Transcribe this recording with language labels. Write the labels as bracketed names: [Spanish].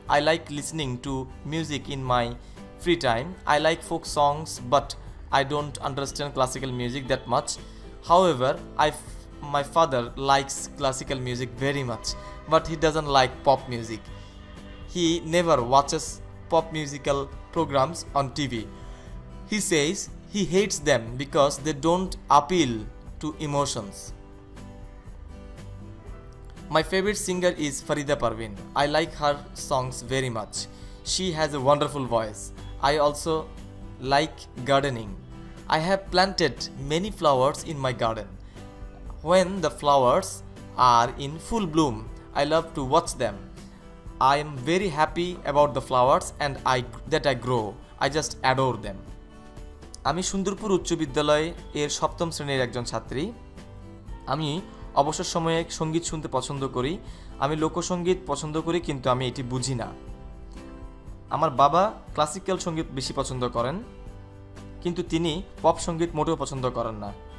[English] I like listening to music in my free time, I like folk songs but I don't understand classical music that much. However my father likes classical music very much, but he doesn't like pop music, he never watches pop musical programs on TV. He says he hates them because they don't appeal to emotions. My favorite singer is Farida Parveen. I like her songs very much. She has a wonderful voice. I also like gardening. I have planted many flowers in my garden. When the flowers are in full bloom, I love to watch them. I am very happy about the flowers and that I grow. I just adore them. [Bangla] আমি সুন্দরপুর উচ্চ বিদ্যালয় এর সপ্তম শ্রেণীর একজন ছাত্রী। আমি অবসর সময়ে সঙ্গীত শুনতে পছন্দ করি। আমি লোকসঙ্গীত পছন্দ করি কিন্তু আমি এটি বুঝি না। আমার বাবা ক্লাসিক্যাল সঙ্গীত বেশি পছন্দ করেন কিন্তু তিনি পপ সঙ্গীত মোটেও পছন্দ করেন না।